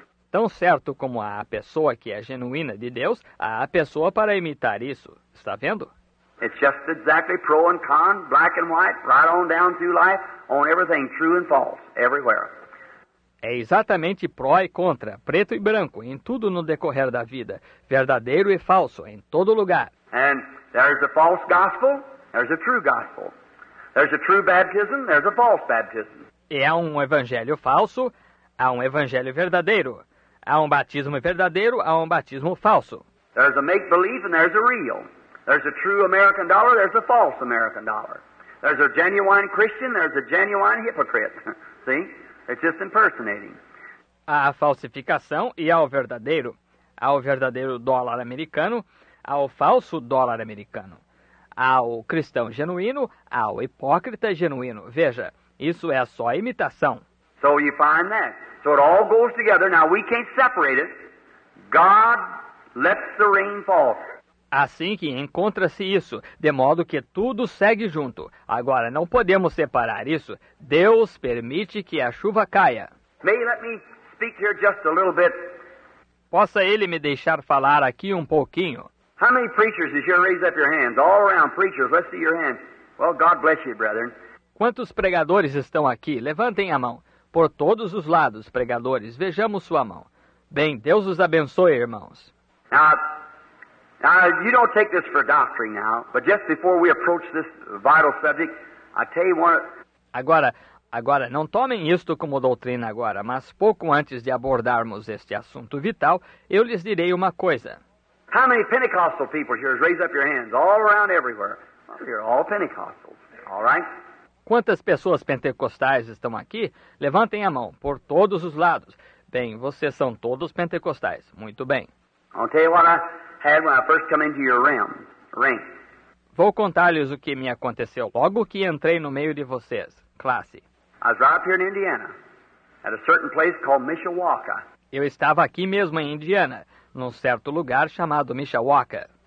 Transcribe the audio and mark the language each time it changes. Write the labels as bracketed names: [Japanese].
[Portuguese] Tão certo como há a pessoa que é genuína de Deus, há a pessoa para imitar isso. Está vendo? [English] It's just exactly pro and con, black and white, right on down through life, on everything, true and false, everywhere. [Portuguese] É exatamente pró e contra, preto e branco, em tudo no decorrer da vida, verdadeiro e falso, em todo lugar. [English] And there's a false gospel, there's a true gospel. There's a true baptism, there's a false baptism. [Portuguese] E há um evangelho falso, há um evangelho verdadeiro. Há um batismo verdadeiro, há um batismo falso. [English] There's a make-believe and there's a real. There's a true American dollar, there's a false American dollar. There's a genuine Christian, there's a genuine hypocrite. See? It's just impersonating. [Portuguese] Há a falsificação e há o verdadeiro. Há o verdadeiro dólar americano, há o falso dólar americano. Há o cristão genuíno, há o hipócrita genuíno. Veja, isso é só imitação. [English] So you find that. So it all goes together. Now we can't separate it. God lets the rain fall. [Portuguese] Assim que encontra-se isso, de modo que tudo segue junto. Agora, não podemos separar isso. Deus permite que a chuva caia. [English] May let me speak here just a little bit. [Portuguese] Possa ele me deixar falar aqui um pouquinho? [English] How many preachers did you raise up your hands? All around preachers, let's see your hands. Well, God bless you, brethren. [Portuguese] Quantos pregadores estão aqui? Levantem a mão. Por todos os lados, pregadores, vejamos sua mão. Bem, Deus os abençoe, irmãos. [English] Now, you don't take this for doctrine now, but just before we approach this vital subject, I tell you one... [Portuguese] Agora, não tomem isto como doutrina agora, mas pouco antes de abordarmos este assunto vital, eu lhes direi uma coisa. [English] How many Pentecostal people here? Raise up your hands, all around everywhere. You're all Pentecostals, all right? [Portuguese] Quantas pessoas pentecostais estão aqui? Levantem a mão, por todos os lados. Bem, vocês são todos pentecostais, muito bem. [English] I'll tell you what I... had when I first come into your rank. [Portuguese] Vou contar-lhes o que me aconteceu logo que entrei no meio de vocês, classe. [English] I was right up here in Indiana, at a certain place called Mishawaka. [Portuguese] Eu estava aqui mesmo em Indiana, num certo lugar chamado Mishawaka.